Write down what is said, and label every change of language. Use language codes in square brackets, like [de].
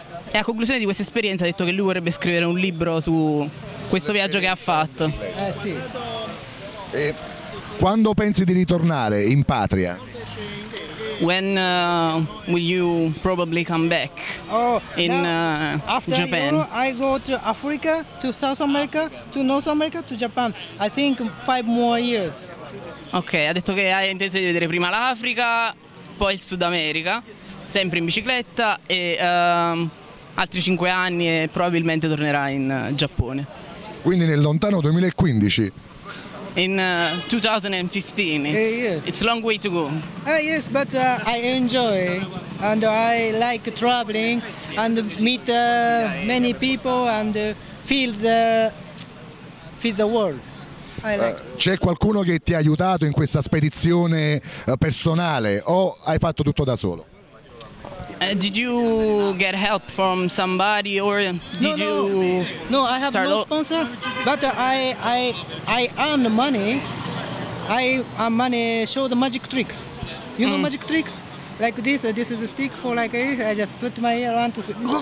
[it] E a conclusione di questa esperienza ha detto che lui vorrebbe scrivere un libro su questo viaggio che ha fatto. Sì. E quando pensi di ritornare in patria? [en] When will you probably come back in Japan? I go to Africa, to South America, to North America, to Japan. I think 5 more years. [it] Ok, ha detto che hai intenzione di vedere prima l'Africa, poi il Sud America, sempre in bicicletta e altri 5 anni e probabilmente tornerà in Giappone. Quindi nel lontano 2015. [en] In 2015. Yes. It's a long way to go. Yes, but I enjoy and I like traveling and meet many people and feel the world. [it] C'è qualcuno che ti ha aiutato in questa spedizione personale o hai fatto tutto da solo? [en] Did you get help from somebody or did no, you no. No, I have no sponsor, but I earn money. I earn money, show the magic tricks. You know magic tricks? Like this, this is a stick for like this. I just put my ear on to see.